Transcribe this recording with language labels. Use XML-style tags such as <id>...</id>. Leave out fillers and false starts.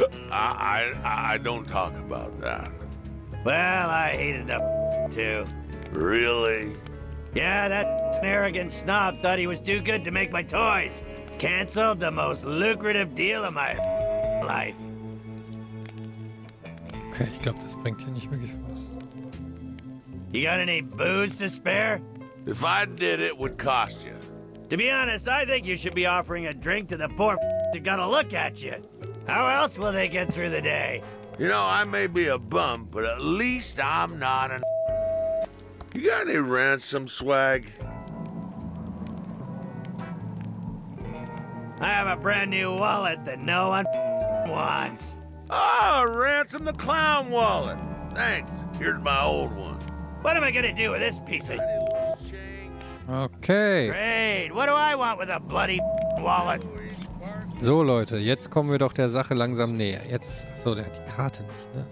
<en>I don't talk about that. Well, I hated the too. Really? Yeah, that arrogant snob thought he was too good to make my toys. Canceled the most lucrative deal of my life.</en> <de>Okay, ich glaube, das bringt hier nicht wirklich was.</de> <en>You got any booze to spare? If I did, it would cost you. To be honest, I think you should be offering a drink to the poor to gotta look at you. How else will they get through the day? You know, I may be a bum, but at least I'm not an... You got any ransom swag? I have a brand new wallet that no one wants. Oh, Ransom the Clown wallet. Thanks. Here's my old one. What am I gonna do with this piece of... Okay. Great. What do I want with a bloody wallet?</en> <de>So, Leute, jetzt kommen wir doch der Sache langsam näher. Jetzt, so, der hat die Karte nicht, ne?</de>